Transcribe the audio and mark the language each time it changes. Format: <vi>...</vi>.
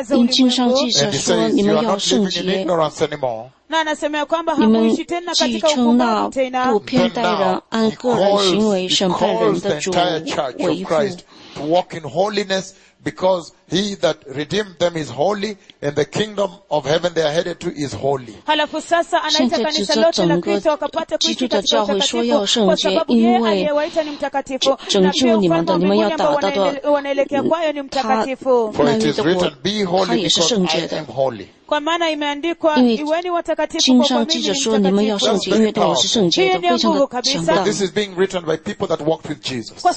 <zh>经上记者说，你们要圣洁。那那圣经说，你们既称那不偏待人、按个人行为圣派人的主为父。</zh> <en>Because he that redeemed them is holy, and the kingdom of heaven they are headed to is holy.</en> <zh>现在指着整个基督的教会说要圣洁，因为拯救你们的，你们要达到的，他。</zh> <en>For it is written, "Be holy, because I am holy."</en> <zh>因为经上记着说你们要圣洁，因为我是圣洁的，非常的强大。</zh> <en>This is being written by people that walked with Jesus.</en>